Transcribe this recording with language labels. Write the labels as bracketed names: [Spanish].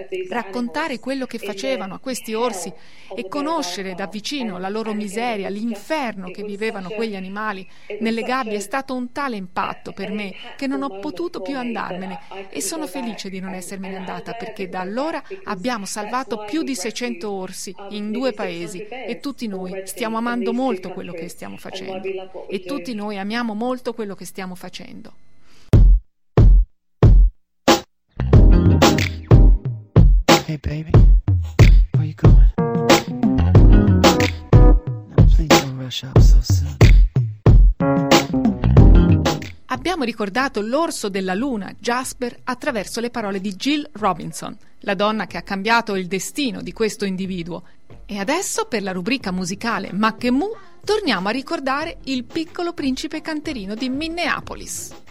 [Italian] raccontare quello che facevano a questi orsi e conoscere da vicino la loro miseria, l'inferno che vivevano quegli animali nelle gabbie è stato un tale impatto per me che non ho potuto più andarmene e sono felice di non essermene andata perché da allora abbiamo salvato più di 600 orsi in 2 paesi e tutti noi stiamo amando molto quello che stiamo facendo e tutti noi amiamo molto quello che stiamo facendo. [English] Hey baby, where you going? Now please don't rush up so soon. [Italian] Abbiamo ricordato l'orso della luna, Jasper, attraverso le parole di Jill Robinson, la donna che ha cambiato il destino di questo individuo. E adesso, per la rubrica musicale Ma che mu, torniamo a ricordare il piccolo principe canterino di Minneapolis.